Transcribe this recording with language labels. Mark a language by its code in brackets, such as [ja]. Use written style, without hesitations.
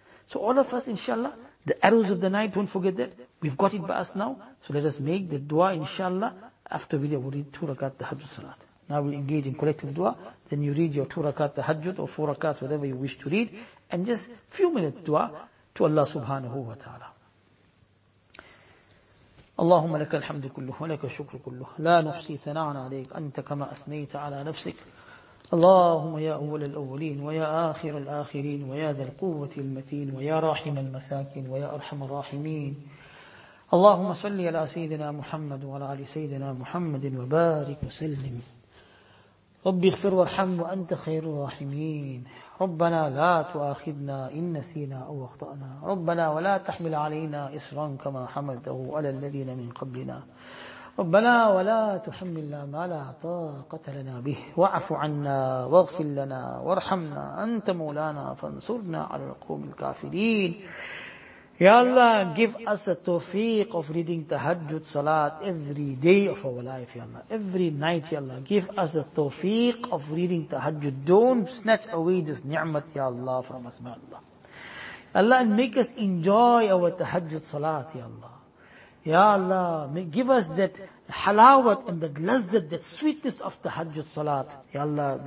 [en] So all of us, inshallah, the arrows of the night, don't forget that, we've got it by us now, so let us make the dua, inshallah, after we read two rakat tahajjud salat. Now we engage in collective dua, then you read your two rakat tahajjud, or four rakat, whatever you wish to read, and just few minutes dua to Allah subhanahu wa ta'ala. [ar] اللهم لك الحمد كله ولك الشكر كله لا نحصي ثناء عليك أنت كما أثنيت على نفسك اللهم يا أول الأولين ويا آخر الآخرين ويا ذا القوة المتين ويا راحم المساكين ويا أرحم الراحمين اللهم صل على سيدنا محمد وعلى آل سيدنا محمد وبارك وسلم ربي اغفر وارحم وأنت خير الراحمين ربنا لا تؤاخذنا إن نسينا أو أخطأنا ربنا ولا تحمل علينا إصرا كما حملته على الذين من قبلنا ربنا ولا تحملنا ما لا طاقة لنا به واعف عنا واغفر لنا وارحمنا أنت مولانا فانصرنا على القوم الكافرين يا الله [en] give us a tawfiq of reading tahajjud salat every day of our life, [ar] يا الله. [en] Every night, يا الله. Give us a tawfiq of reading tahajjud. Don't snatch away this ni'mat, يا الله, from us, يا الله. Allah, and make us enjoy our tahajjud salat, يا الله. يا الله, give us that halawat and that lazzat, that sweetness of tahajjud salat, يا الله.